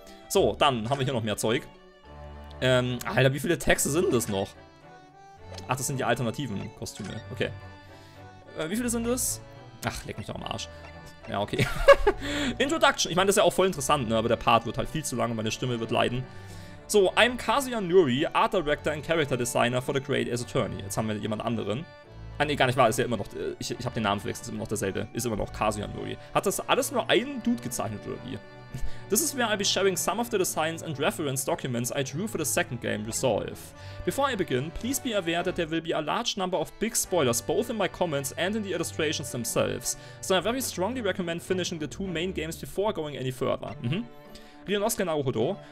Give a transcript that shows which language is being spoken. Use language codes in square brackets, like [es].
[de] So, dann haben wir hier noch mehr Zeug. Alter, wie viele Texte sind das noch? Ach, das sind die alternativen Kostüme. Okay. Wie viele sind das? Ach, leck mich doch am Arsch. Ja, okay. Introduction. Ich meine, das ist ja auch voll interessant, ne? Aber der Part wird halt viel zu lang und meine Stimme wird leiden. [en] So, I'm Kazuya Nuri, Art Director and Character Designer for the Great Ace Attorney. [de] Jetzt haben wir jemand anderen. Ah, nee, gar nicht wahr. Ist ja immer noch... Ich habe den Namen verwechselt. Ist immer noch derselbe. Ist immer noch Kazuya Nuri. Hat das alles nur ein Dude gezeichnet oder wie? [en] This is where I'll be sharing some of the designs and reference documents I drew for the second game, Resolve. Before I begin, please be aware that there will be a large number of big spoilers both in my comments and in the illustrations themselves, so I very strongly recommend finishing the two main games before going any further. Ryunosuke Naruhodo.